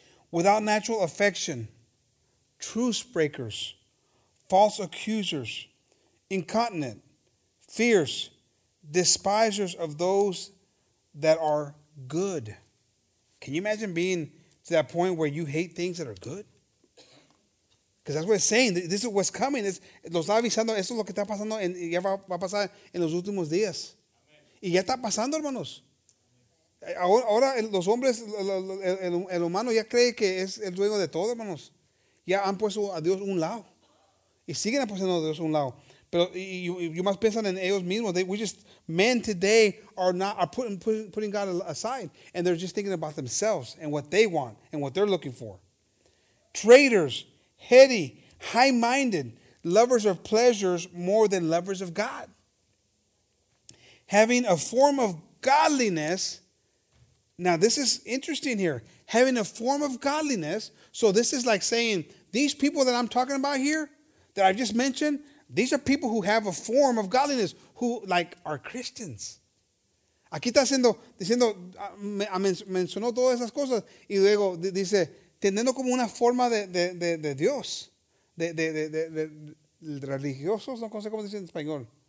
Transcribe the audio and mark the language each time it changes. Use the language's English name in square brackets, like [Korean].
[English] without natural affection, truce breakers, false accusers, incontinent, fierce, despisers of those that are good. Can you imagine being to that point where you hate things that are good? Because that's what it's saying. This is what's coming. [Spanish] Lo está avisando. Esto es lo que está pasando. Y ya va a pasar en los últimos días. Y ya está pasando, hermanos. Ahora los hombres, el humano ya cree que es el dueño de todo, hermanos. Ya han puesto a Dios un lado. Y siguen apostando a Dios un lado. [English] Pero you must [Spanish] piensan en ellos mismos. [English] Men today are putting God aside. And they're just thinking about themselves and what they want and what they're looking for. Traitors, heady, high-minded, lovers of pleasures more than lovers of God. Having a form of godliness. Now, this is interesting here. Having a form of godliness. So this is like saying, these people that I'm talking about here, that I just mentioned, these are people who have a form of godliness, who, like, are Christians. [Spanish] Aquí está diciendo, mencionó todas esas cosas, y luego dice, teniendo como una forma de Dios, de religiosos, no sé cómo dice en español.